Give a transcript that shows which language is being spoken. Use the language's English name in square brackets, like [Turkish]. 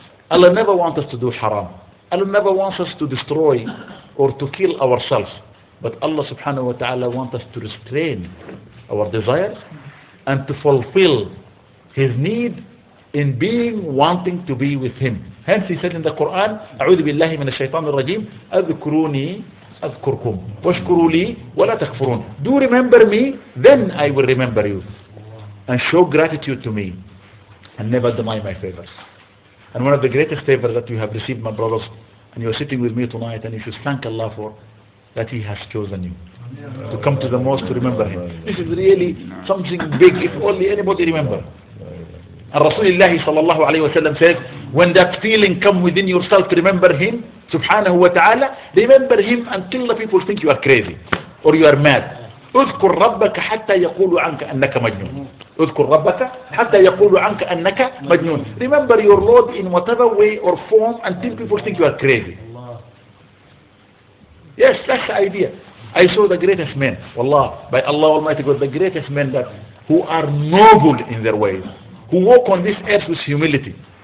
[English] Allah never wants us to do haram. Allah never wants us to destroy or to kill ourselves. But Allah subhanahu wa ta'ala wants us to restrain our desires and to fulfill His need in being wanting to be with Him. Hence He said in the Quran, [Arabic] أعوذ بالله من الشيطان الرجيم أذكروني أذكركم واشكروا لي ولا تكفرون. [English] Do remember me, then I will remember you. And show gratitude to me. And never deny my favors. And one of the greatest favors that you have received, my brothers, and you are sitting with me tonight, and you should thank Allah for that He has chosen you to come to the mosque to remember Him. This is really something big, if only anybody remember. And Rasulullah sallallahu alayhi wa sallam said, when that feeling comes within yourself to remember Him, subhanahu wa ta'ala, remember Him until the people think you are crazy or you are mad. [Arabic] اذكر ربك حتى يقول عنك أنك مجنون. اذكر ربك حتى يقول عنك أنك مجنون. [English] Remember your Lord in whatever way or form until people think you are crazy. Yes, that's the idea. I saw the greatest men, wallah, by Allah Almighty God, the greatest men that who are noble in their ways, who walk on this earth with humility.